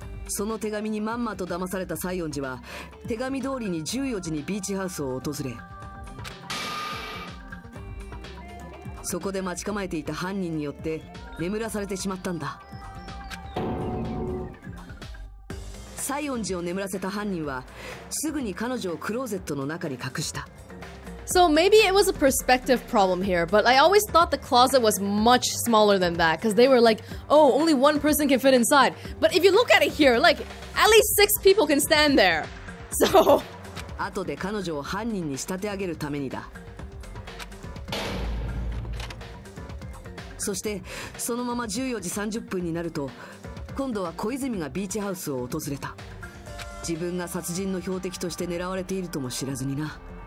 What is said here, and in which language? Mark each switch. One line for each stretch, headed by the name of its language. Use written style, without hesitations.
Japanese: その手紙にまんまと騙された西園寺は手紙通りに14時にビーチハウスを訪れ、そこで待ち構えていた犯人によって眠らされてしまったんだ。西園寺を眠らせた犯人はすぐに彼女をクローゼットの中に隠した。
English: So maybe it was a perspective problem here, but I always thought the closet was much smaller than that because they were like, oh, only one person can fit inside. But if you look at it here, like, at least six people can stand there. So...
Japanese: 後で彼女を犯人に仕立て上げるためにだ。そしてそのまま14時30分になると、今度は小泉がビーチハウスを訪れた。自分が殺人の標的として狙われているとも知らずにな。